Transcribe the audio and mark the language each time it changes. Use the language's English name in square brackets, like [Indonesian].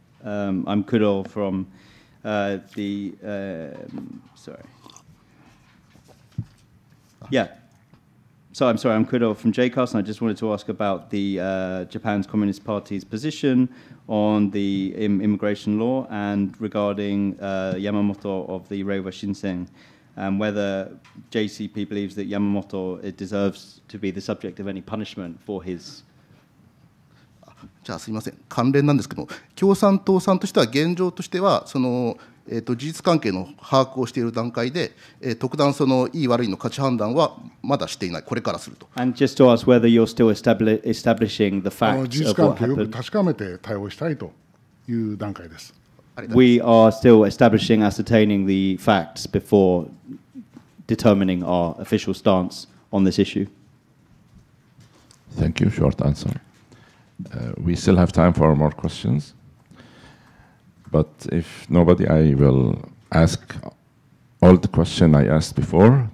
[English] I'm Kudo from I'm Kudo from JCAST, and I just wanted to ask about the Japan's Communist Party's position on the immigration law and regarding Yamamoto of the Reiwa Shinsen, and whether JCP believes that Yamamoto it deserves to be the subject of any punishment for his... [Japanese] じゃあすみません、関連なんですけども、共産党さんとしては現状としてはその事実関係の把握をしている段階で、特段そのいい悪いの価値判断はまだしていない、これからすると。 [English] And just to ask whether you're still establishing the facts of what happened. [Japanese] 事実関係をよく確かめて対応したいという段階です。 [English] We are still establishing, ascertaining the facts before determining our official stance on this issue. Thank you. Short answer. We still have time for more questions. But if nobody, I will ask all the question I asked before.